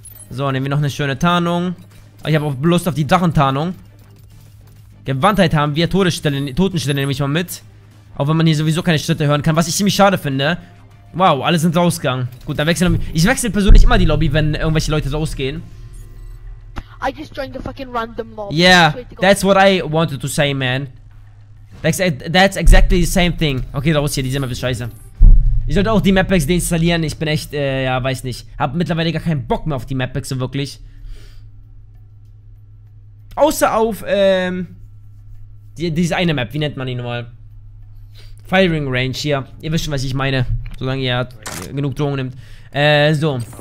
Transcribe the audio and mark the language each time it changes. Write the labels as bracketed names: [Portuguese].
[German] So, nehmen wir noch eine schöne Tarnung. Ich habe auch Lust auf die Drachentarnung. Gewandtheit haben wir, Todesstelle, Totenstelle nehme ich mal mit. Auch wenn man hier sowieso keine Schritte hören kann, was ich ziemlich schade finde. Wow, alle sind rausgegangen. Gut, dann wechseln wir. Ich wechsle persönlich immer die Lobby, wenn irgendwelche Leute rausgehen. [English] I just joined the fucking random lobby. Yeah, that's what I wanted to say, man. That's exactly the same thing. [German] Okay, raus hier, diese Map ist scheiße. Ich sollte auch die Mappacks deinstallieren. Ich bin echt, ja, weiß nicht. Hab mittlerweile gar keinen Bock mehr auf die Mappacks, so wirklich. Außer auf, diese eine Map, wie nennt man die nochmal? Firing Range hier. Ihr wisst schon, was ich meine. Solange ihr genug Drogen nimmt. So.